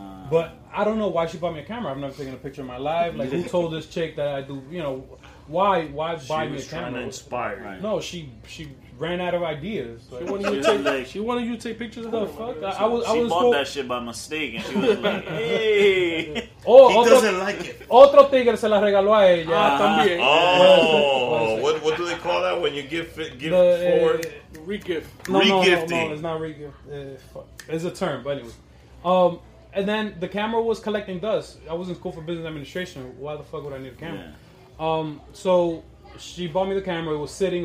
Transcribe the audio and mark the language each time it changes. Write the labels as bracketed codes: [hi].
[en] But I don't know why she bought me a camera. I've never taken a picture in my life. Like, who told this chick that I do? You know. Why she buy me a camera? She was trying to inspire. Right. No, she ran out of ideas. Like, she wanted you to take, like, she wanted you to take pictures of the fuck. I was bought that shit by mistake, and she was like, "Hey, doesn't like it." [es] Otro tigre se la regaló a ella también. [en] Oh, what do they call that when you give forward? Regift. No, it's not regift. It's a term, but anyway. And then the camera was collecting dust. I was in school for business administration. Why the fuck would I need a camera? Yeah. So she bought me the camera. It was sitting.